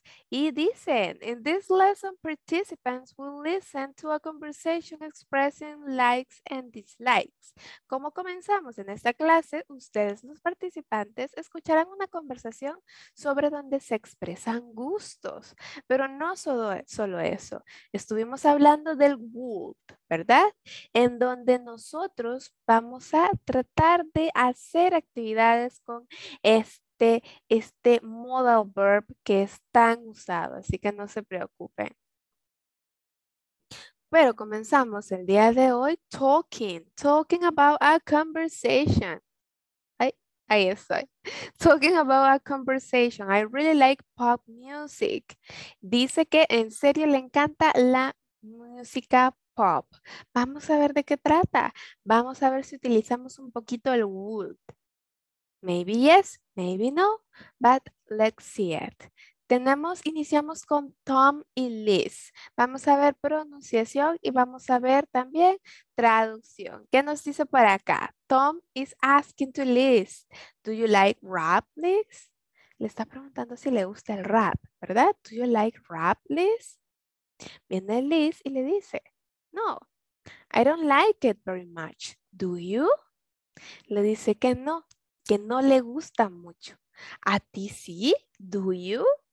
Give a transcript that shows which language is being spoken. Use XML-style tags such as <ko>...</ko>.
<es>Y dicen,</es> <en>in this lesson, participants will listen to a conversation expressing likes and dislikes.</en> <es>¿Cómo comenzamos? En esta clase, ustedes, los participantes, escucharán una conversación sobre donde se expresan gustos. Pero no solo eso. Estuvimos hablando del would, ¿verdad? En donde nosotros vamos a tratar de hacer actividades con este modal verb que es tan usado, así que no se preocupen. Bueno, comenzamos el día de hoy</es> <en>talking about a conversation.</en> <es>Ahí estoy.</es> <en>Talking about a conversation. I really like pop music.</en> <es>Dice que en serio le encanta la música pop. Vamos a ver de qué trata. Vamos a ver si utilizamos un poquito el would.</es> <en>Maybe yes, maybe no, but let's see it.</en> <es>Iniciamos con Tom y Liz. Vamos a ver pronunciación y vamos a ver también traducción. ¿Qué nos dice por acá?</es> <en>Tom is asking to Liz, do you like rap, Liz?</en> <es>Le está preguntando si le gusta el rap, ¿verdad?</es> <en>Do you like rap, Liz?</en> <es>Viene Liz y le dice, no,</es> <en>I don't like it very much. Do you?</en> <es>Le dice que no le gusta mucho. ¿A ti sí?</es> <en>Do you?</en>